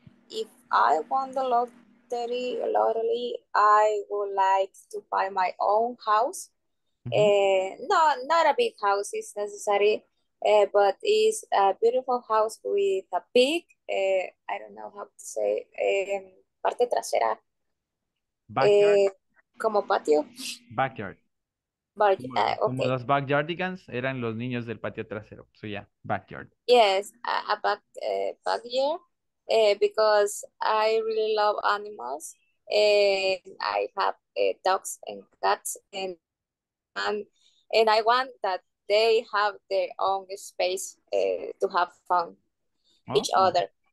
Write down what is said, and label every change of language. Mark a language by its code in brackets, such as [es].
[en] If I won the lottery, I would like to buy my own house. Not a big house is necessary, but it's a beautiful house with a big, I don't know how to say, [es] parte trasera. [en] Backyard. [es] Como patio. [en] Backyard. Okay. [es] Como los backyardigans eran los niños del patio trasero. [en] So yeah, backyard. Yes, a backyard, because I really love animals. I have dogs and cats and I want that they have their own space to have fun, each other.